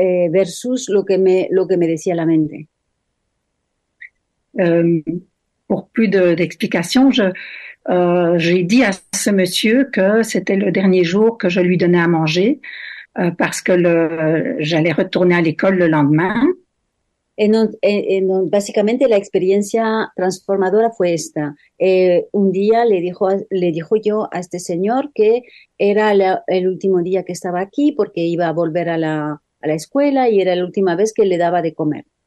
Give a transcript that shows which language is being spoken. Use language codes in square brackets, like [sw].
[es] versus lo que me decía la mente. [fr] Pour plus d'explications, j'ai dit à ce monsieur que c'était le dernier jour que je lui donnais à manger, parce que j'allais retourner à l'école le lendemain. [es] En básicamente la experiencia transformadora fue esta. Un día le dijo yo a este señor que era el último día que estaba aquí porque iba a volver a la escuela y era la última vez que le daba de comer.